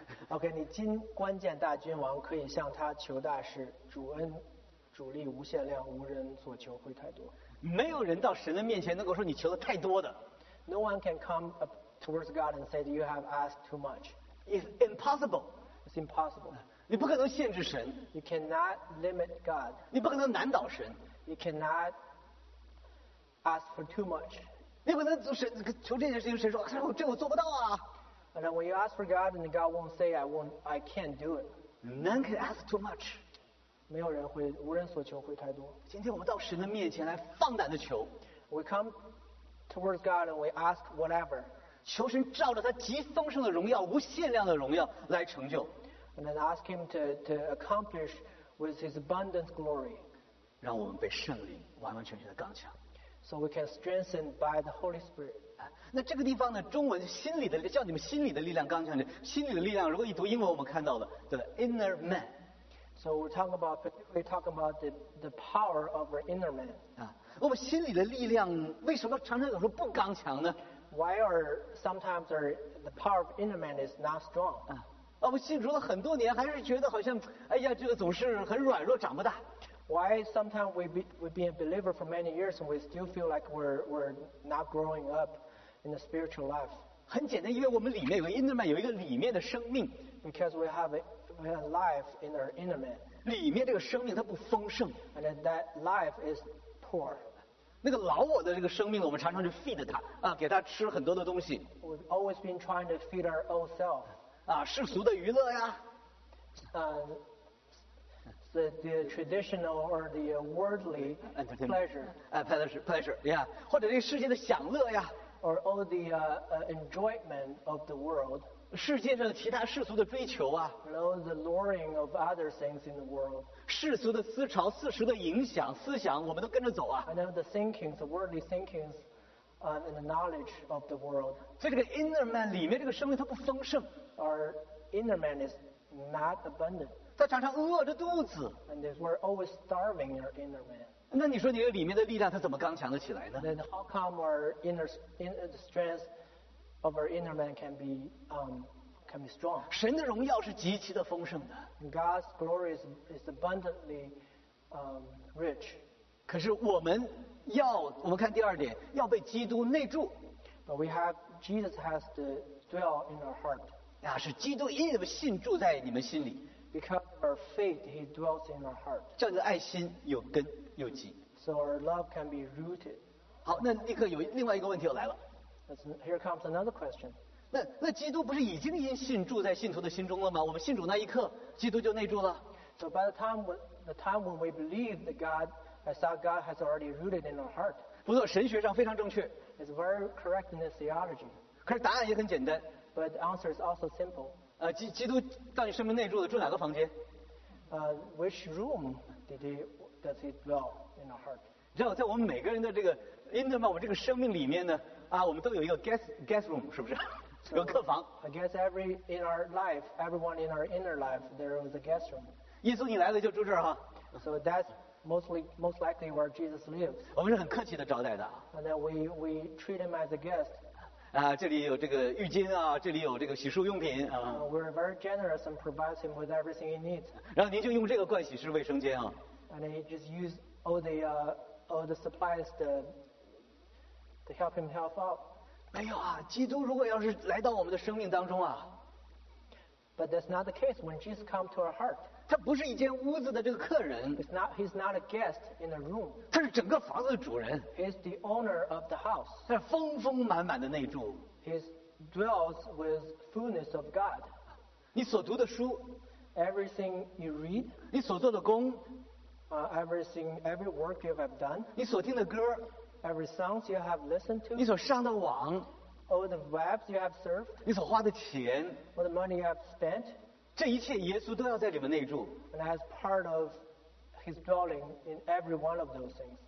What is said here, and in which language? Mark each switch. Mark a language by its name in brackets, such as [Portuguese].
[Chinese] OK, 你今关键大君王可以向他求大事，主恩主力无限量，无人所求会太多。没有人到神的面前能够说你求的太多的。 [English] No one can come up towards God and say you have asked too much. It's impossible. It's impossible. [Chinese] 你不可能限制神。 [English] You cannot limit God. [Chinese] 你不可能难倒神。 [English] You cannot ask for too much. [Chinese] 你不能神求这件事情，神说哎呦这我做不到啊。 [English] And then when you ask for God, and God won't say, I can't do it. None can ask too much. [Chinese] 没有人会无人所求会太多。今天我们到神的面前来放胆的求。 [English] We come towards God and we ask whatever. [Chinese] 求神照着他极丰盛的荣耀、无限量的荣耀来成就。 [English] And then ask Him to accomplish with His abundant glory. [Chinese] 让我们被圣灵完完全全的刚强。 [English] So we can strengthen by the Holy Spirit. [Chinese] 那这个地方呢，中文心里的叫你们心里的力量刚强，心里的力量如果一读英文我们看到了叫 [English] inner man。 So we're talking about the power of our inner man。 [Chinese] 我们心里的力量为什么常常有时候不刚强呢？ [English] Why are sometimes the power of inner man is not strong？ [Chinese] 我们信主了很多年还是觉得好像哎呀这个总是很软弱长不大。 [English] Why sometimes we've been a believer for many years and we still feel like we're not growing up in the spiritual life? [Chinese] 很简单，因为我们里面有个 [English] inner man， [Chinese] 有一个里面的生命。 [English] Because we have a life in our inner man。 [Chinese] 里面这个生命它不丰盛。 [English] And that life is poor。 [Chinese] 那个老我的这个生命，我们常常去 feed 它啊，给它吃很多的东西。 [English] We've always been trying to feed our old self。 [Chinese] 啊，世俗的娱乐呀。 [English] The traditional or the worldly pleasure, yeah. [Chinese] 或者这世界的享乐呀。 [English] Or all the enjoyment of the world. [Chinese] 世界上的其他世俗的追求啊。 [English] And all the luring of other things in the world. [Chinese] 世俗的思潮、世俗的影响、思想，我们都跟着走啊。 [English] And all the thinkings, the worldly thinkings, and the knowledge of the world. [Chinese] 所以这个 [English] inner man [Chinese] 里面这个生命它不丰盛。 [English] Our inner man is not abundant. [Chinese] 他常常饿着肚子。 [English] And we're always starving our inner man. [Chinese] 那你说你的里面的力量他怎么刚强得起来呢？ [English] Then how come our the strength of our inner man can be strong? [Chinese] 神的荣耀是极其的丰盛的。 [English] And God's glory is abundantly rich. [Chinese] 可是我们看第二点，要被基督内住。 [English] But Jesus has to dwell in our heart. [Chinese] 那是基督因你们信住在你们心里。 [English] Because our faith, He dwells in our heart. [Chinese] 叫你的爱心有根有基。 [English] So our love can be rooted. [Chinese] 好，那立刻有另外一个问题又来了。 [English] Here comes another question. [Chinese] 那基督不是已经因信住在信徒的心中了吗？我们信主那一刻，基督就内住了。 [English] So by the time when we believe that God, as our God has already rooted in our heart. [Chinese] 不错，神学上非常正确。 [English] It's very correct in the theology. [Chinese] 可是答案也很简单。 [English] But the answer is also simple. [Chinese] 基督到你生命内住的住哪个房间？ [English] Which room does he dwell in our heart？ [Chinese] 你知道，在我们每个人的这个 [English] inner man， [Chinese] 我们这个生命里面呢，啊，我们都有一个 [English] guest room， [Chinese] 是不是？ [English] So, [Chinese] 有客房。 [English] I guess everyone in our inner life there was a guest room。 [Chinese] 耶稣，你来了就住这儿哈。 [English] So that's most likely where Jesus lives。 [Chinese] 我们是很客气的招待的。 [English] And then we treat him as a guest。 [Chinese] 啊，这里有这个浴巾啊，这里有这个洗漱用品啊。 [English] We're very generous and provide him with everything he needs. [Chinese] 然后您就用这个盥洗室卫生间啊。 [English] And he just use all the supplies to help him help out. [Chinese] 没有啊，基督如果要是来到我们的生命当中啊。 [English] But that's not the case when Jesus comes to our heart. [Chinese] 他不是一间屋子的这个客人。 [English] He's not a guest in a room. [Chinese] 他是整个房子的主人。 [English] He's the owner of the house. [Chinese] 他是丰丰满满的内住。 [English] He dwells with fullness of God. [Chinese] 你所读的书。 [English] Everything you read. [Chinese] 你所做的工。 [English] Every work you have done. [Chinese] 你所听的歌。 [English] Every song you have listened to. [Chinese] 你所上的网。 [English] All the webs you have served. [Chinese] 你所花的钱。 [English] All the money you have spent. [Chinese] 这一切耶稣都要在里面内住。 [English] And as part of his dwelling in every one of those things.